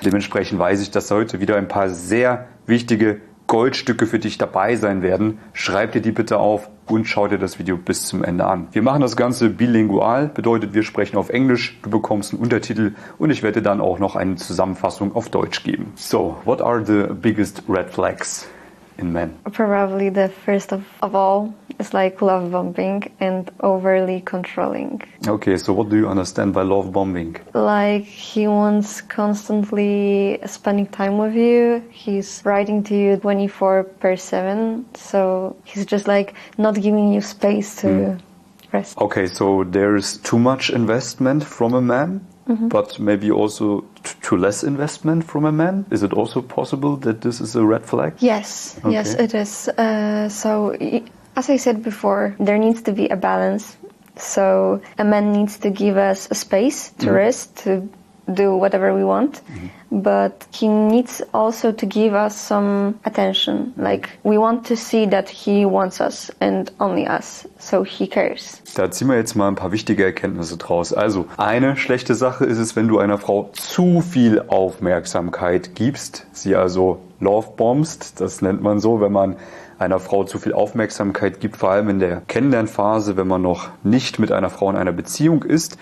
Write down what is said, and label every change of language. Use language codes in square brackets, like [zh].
[de] Dementsprechend weiß ich, dass heute wieder ein paar sehr wichtige Goldstücke für dich dabei sein werden. Schreib dir die bitte auf und schau dir das Video bis zum Ende an. Wir machen das Ganze bilingual, bedeutet, wir sprechen auf Englisch, du bekommst einen Untertitel und ich werde dann auch noch eine Zusammenfassung auf Deutsch geben. [en] So, what are the biggest red flags in men? Probably the first of all is like love bombing and overly controlling. Okay, so what do you understand by love bombing? Like he wants constantly spending time with you. He's writing to you 24/7. So he's just like not giving you space to rest. Okay, so there is too much investment from a man, but maybe also to less investment from a man? Is it also possible that this is a red flag? Yes, okay. Yes, it is. As I said before, there needs to be a balance. So a man needs to give us a space to rest, to do whatever we want. But he needs also to give us some attention. Like, we want to see that he wants us and only us. So he cares. [de] Da ziehen wir jetzt mal ein paar wichtige Erkenntnisse draus. Also, eine schlechte Sache ist es, wenn du einer Frau zu viel Aufmerksamkeit gibst. Sie also lovebombst, das nennt man so, wenn man einer Frau zu viel Aufmerksamkeit gibt, vor allem in der Kennenlernphase, wenn man noch nicht mit einer Frau in einer Beziehung ist.